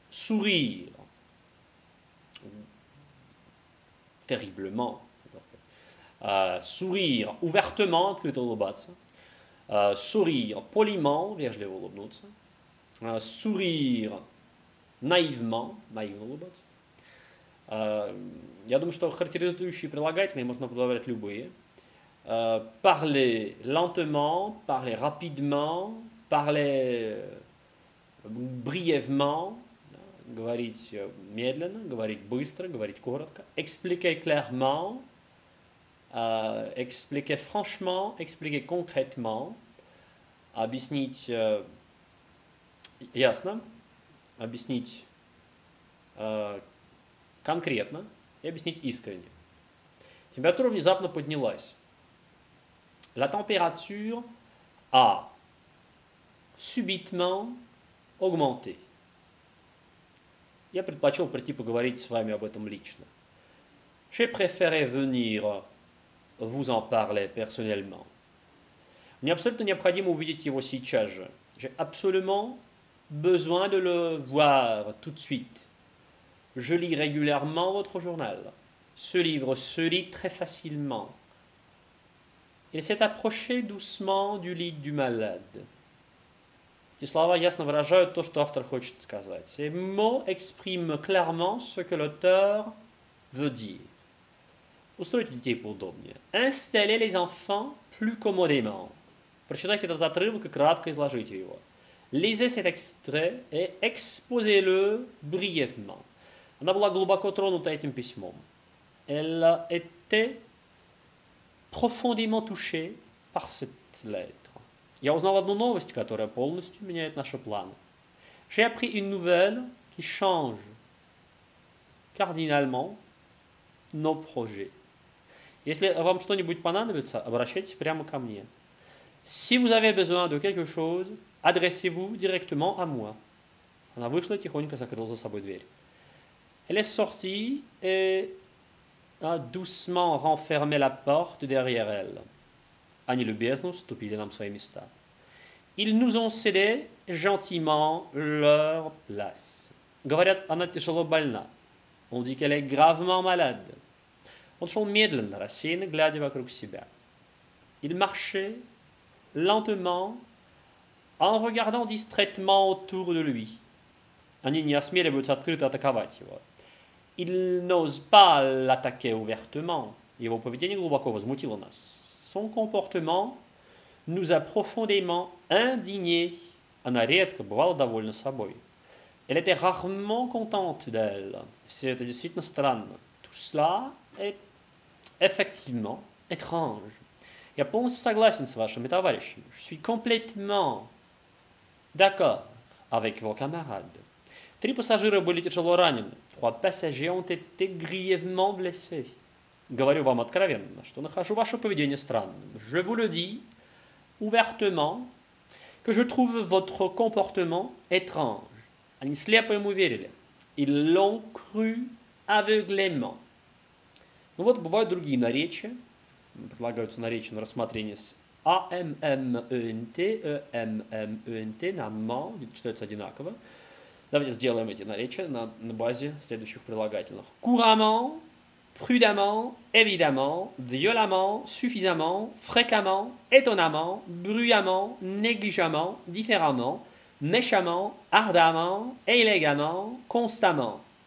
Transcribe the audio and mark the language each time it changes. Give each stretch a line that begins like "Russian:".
French: Sourire, terriblement, sourire ouvertement,
Russian: открыто улыбаться.
French: Sourire poliment,
Russian: вежливо улыбнуться.
French: Sourire naïvement,
Russian: наивно улыбаться. Я думаю, что характеризующие прилагательные можно добавлять любые.
French: Parler lentement, parler rapidement, parler brièvement,
Russian: говорить медленно, говорить быстро, говорить коротко.
French: Expliquer clairement, expliquer franchement, expliquer concrètement.
Russian: Объяснить ясно, объяснить конкретно и объяснить искренне. Температура внезапно поднялась.
French: La température A. Subitement augmenté.
Russian: Я предпочел прийти поговорить с вами об этом лично.
French: J'ai préféré venir vous en parler personnellement.
Russian: Мне абсолютно необходимо увидеть его сейчас же.
French: J'ai absolument besoin de le voir tout de suite. Je lis régulièrement votre journal. Ce livre se lit très facilement. Il s'est approché doucement du lit du malade. Ces
Russian: слова ясно выражают то, что автор хочет сказать.
French: Ces mots expriment clairement ce que l'auteur veut dire.
Russian: Устройте детей поудобнее.
French: Installez les enfants plus commodément.
Russian: Прочитайте этот отрывок и кратко изложите его.
French: Lisez cet extrait et exposez-le brièvement.
Russian: Она была глубоко тронута этим письмом.
French: Elle était profondément touchée par cette lettre.
Russian: Я узнал одну новость, которая полностью меняет наши планы.
French: J'ai appris une nouvelle qui change
Russian: кардинально
French: nos projets.
Russian: Если вам что-нибудь понадобится, обращайтесь прямо ко мне.
French: Si vous avez besoin de quelque chose, adressez-vous directement à moi.
Russian: Она вышла и тихонько закрыла за собой дверь.
French: Elle est sortie et a doucement renfermé la porte derrière elle.
Russian: Они любезно уступили нам свои места.
French: Ils nous ont cédé gentiment leur place.
Russian: Говорят, она тяжело больна.
French: On dit qu'elle est gravement malade.
Russian: Он шел медленно, рассеянно, глядя вокруг себя.
French: Il marchait lentement en regardant distraitement autour de lui.
Russian: Они не осмеливаются открыто атаковать его.
French: Il n'ose pas l'attaquer ouvertement.
Russian: Его поведение глубоко возмутило нас.
French: Son comportement nous a profondément indignés.
Russian: Она редко бывала довольна собой.
French: Elle était rarement contente d'elle. C'était
Russian: действительно странно.
French: Tout cela est effectivement étrange.
Russian: Я полностью согласен с вашими товарищами.
French: Je suis complètement d'accord avec vos camarades.
Russian: Три пассажира были тяжело ранены.
French: Trois passagers ont été grièvement blessés.
Russian: Говорю вам откровенно, что нахожу ваше поведение странным.
French: Je vous le dis ouvertement, que je trouve votre comportement étrange.
Russian: Они слепо ему верили.
French: Ils l'ont cru aveuglément.
Russian: Ну вот, бывают другие наречия. Предлагаются наречия на рассмотрение с AMMENT, NAMMENT, читаются одинаково. Давайте сделаем эти наречия на базе следующих прилагательных.
French: Couramment, prudemment, évidemment, violemment, suffisamment, fréquemment, étonnamment, bruyamment, négligemment, différemment, méchamment, ardemment, élégamment, constamment.